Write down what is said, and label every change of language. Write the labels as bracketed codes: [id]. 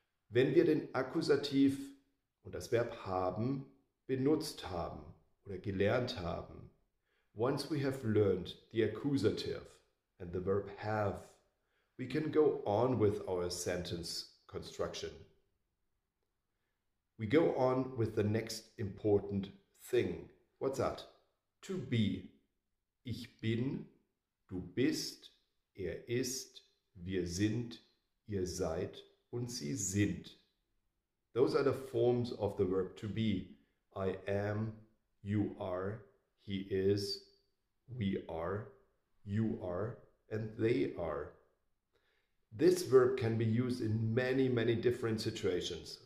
[de] Wenn wir den Akkusativ und das Verb haben benutzt haben, oder gelernt haben. [en] Once we have learned the accusative and the verb have, we can go on with our sentence construction. We go on with the next important thing. What's that? To be. [de] Ich bin, du bist, ist, wir sind, seid, und sie sind. [en] Those are the forms of the verb to be. I am, you are, he is, we are, you are, and they are. This verb can be used in many, many different situations.